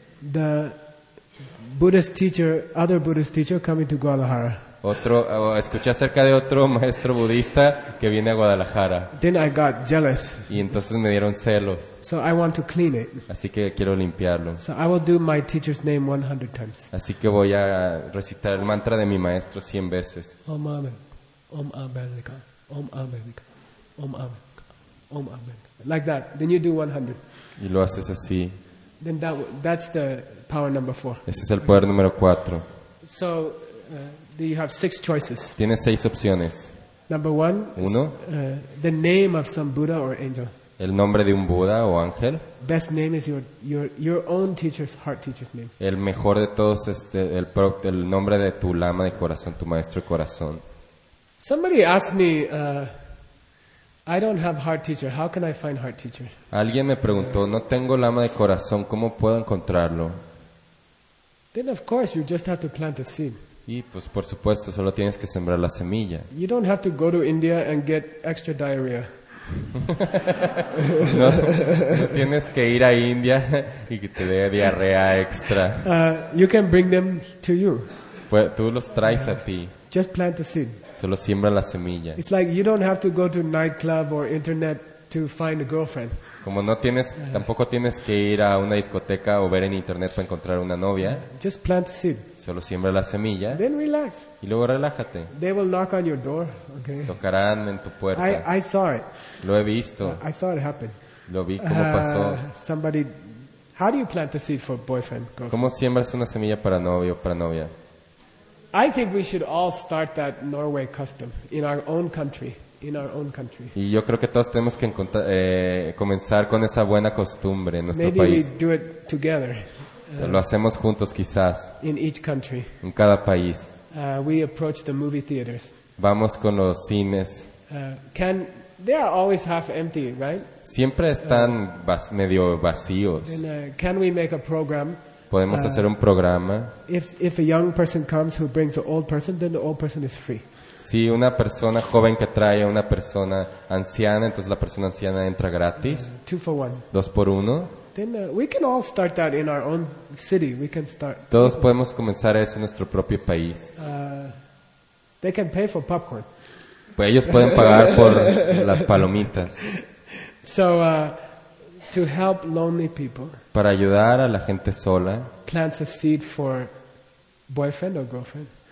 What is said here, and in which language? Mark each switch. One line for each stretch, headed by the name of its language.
English: The Buddhist teacher, other Buddhist teacher coming to Guadalajara.
Spanish: Escuché acerca de otro maestro budista que viene a Guadalajara.
English: Then I got jealous.
Spanish: Y entonces me dieron celos.
English: So I want to clean it.
Spanish: Así que quiero limpiarlo.
English: So I will do my teacher's name 100 times.
Spanish: Así que voy a recitar el mantra de mi maestro 100 veces.
English: Om America. Om America. Om America. Om America. Om America. Like that. Then you do 100.
Spanish: Y lo haces así.
English: Then that's the power number 4.
Spanish: Ese es el poder número 4.
English: So you have six choices.
Spanish: Tienes seis opciones.
English: Number one,
Spanish: uno,
English: the name of some Buddha or angel.
Spanish: El nombre de un Buda o ángel.
English: Best name is your own teacher's heart teacher's name.
Spanish: El mejor de todos el nombre de tu lama de corazón, tu maestro de corazón.
English: Somebody asked me, I don't have heart teacher. How can I find heart teacher?
Spanish: Alguien me preguntó, no tengo lama de corazón, ¿cómo puedo encontrarlo?
English: Then of course you just have to plant a seed.
Spanish: Y pues por supuesto, solo tienes que sembrar la semilla.
English: You don't have to go to India and get extra diarrhea.
Spanish: No, no tienes que ir a India y que te dé diarrea extra.
English: You can bring them to you.
Spanish: Pues tú los traes a ti.
English: Just plant a seed.
Spanish: Solo siembra la semilla.
English: It's like you don't have to go to nightclub or internet to find a girlfriend.
Spanish: Como no tienes, tampoco tienes que ir a una discoteca o ver en internet para encontrar una novia.
English: Just plant a seed.
Spanish: Solo siembra la semilla.
English: Then relax.
Spanish: Y luego relájate.
English: They will knock on your door. Okay.
Spanish: Tocarán en tu puerta.
English: I saw it.
Spanish: Lo he visto.
English: I saw it happen.
Spanish: Lo vi cómo pasó.
English: Somebody, how do you plant a seed for boyfriend, girlfriend?
Spanish: ¿Cómo siembras una semilla para novio o para novia?
English: I think we should all start that Norway custom in our own country. In our own country.
Spanish: Y yo creo que todos tenemos que comenzar con esa buena costumbre en nuestro
English: Maybe
Spanish: país.
English: Maybe we do it together.
Spanish: Lo hacemos juntos, quizás.
English: In each country.
Spanish: En cada país.
English: We approach the movie theaters.
Spanish: Vamos con los cines.
English: They are always half empty, right?
Spanish: Siempre están medio vacíos.
English: And, can we make a program?
Spanish: Podemos hacer un programa.
English: If a young person comes who brings an old person, then the old person is free.
Spanish: Si una persona joven que trae a una persona anciana, entonces la persona anciana entra gratis.
English: Two for one.
Spanish: Dos por uno.
English: Then we can all start that in our own city. We can start.
Spanish: Todos podemos comenzar eso en nuestro propio país.
English: They can pay for popcorn.
Spanish: Pues ellos pueden pagar por las palomitas.
English: So to help lonely people.
Spanish: Para ayudar a la gente sola.
English: Plant a seed for boyfriend or girlfriend.